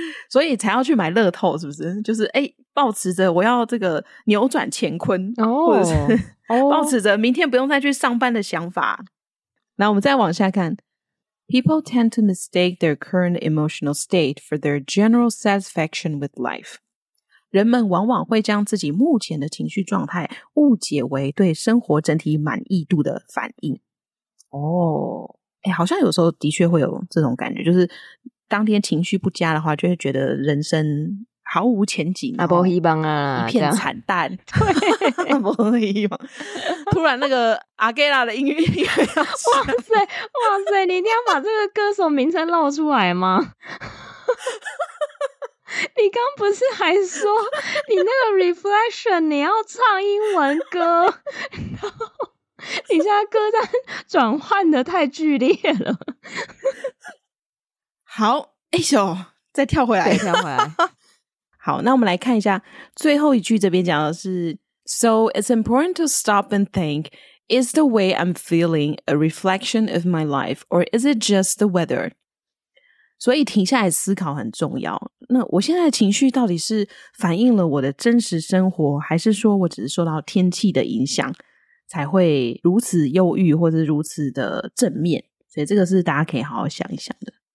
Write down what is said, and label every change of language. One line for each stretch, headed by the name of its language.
Chinese: 所以才要去买乐透，是不是？就是哎，抱持着我要这个扭转乾坤，抱持着明天不用再去上班的想法。那我们再往下看。
English: People tend to mistake their current emotional state for their general satisfaction with life.
Chinese: 人们往往会将自己目前的情绪状态误解为对生活整体满意度的反应。好像有时候的确会有这种感觉，就是当天情绪不佳的话，就会觉得人生毫无前景，没希望啊，一片惨淡，对，没希望。突然那个阿盖拉的音乐，哇塞哇塞，你一定要把这个歌手名称露出来吗？你刚不是还说你那个 reflection 你要唱英文歌，你现在歌单转换的太剧烈了。好，哎呦，再跳回来，再跳回来。好，那我们来看一下最后一句，这边讲的是
English: So it's important to stop and think, is the way I'm feeling a reflection of my life, or is it just the weather?
Chinese: 所以停下来思考很重要，那我现在的情绪到底是反映了我的真实生活，还是说我只是受到天气的影响才会如此忧郁或者如此的正面，所以这个是大家可以好好想一想的。